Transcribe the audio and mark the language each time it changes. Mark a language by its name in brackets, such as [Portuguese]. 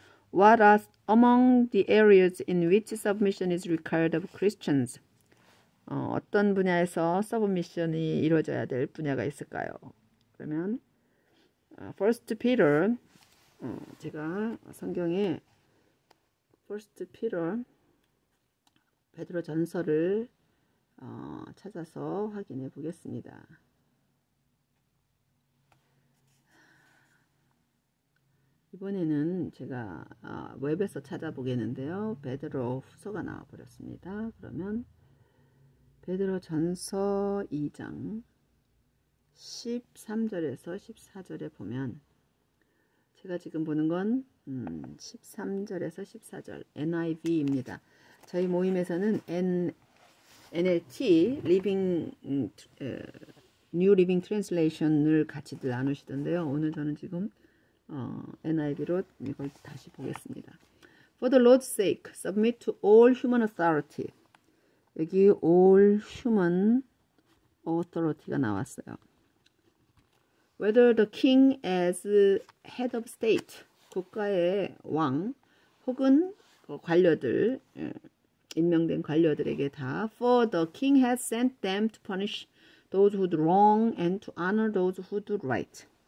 [English] What are among the areas in which submission is required of Christians? [Korean] 어떤 분야에서 서브미션이 이루어져야 될 분야가 있을까요? 그러면 First Peter 제가 성경에 First Peter 베드로 전서를 찾아서 확인해 보겠습니다. 이번에는 제가 웹에서 찾아보겠는데요. 베드로 후서가 나와 버렸습니다. 그러면 베드로전서 2장 13절에서 14절에 보면 제가 지금 보는 건 13절에서 14절 NIV입니다. 저희 모임에서는 NLT New Living Translation을 같이들 나누시던데요. 오늘 저는 지금 NIV로 이걸 다시 보겠습니다. [English] For the Lord's sake, submit to all human authority. [Korean] 여기 all human authority가 나왔어요. [English] Whether the king as head of state, [Korean] 국가의 왕, 혹은 관료들, 임명된 관료들에게 다, [English] For the king has sent them to punish those who do wrong and to honor those who do right.